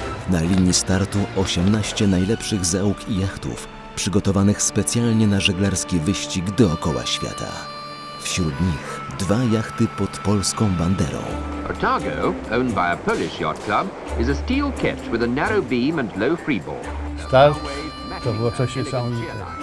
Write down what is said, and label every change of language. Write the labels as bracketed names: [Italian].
[Polish] Na linii startu 18 najlepszych załóg i jachtów, przygotowanych specjalnie na żeglarski wyścig dookoła świata. Wśród nich dwa jachty pod polską banderą. [English] Otago, owned by a Polish yacht club, is a steel ketch with a narrow beam and low freeboard. [Polish] Start to było coś niesamowite.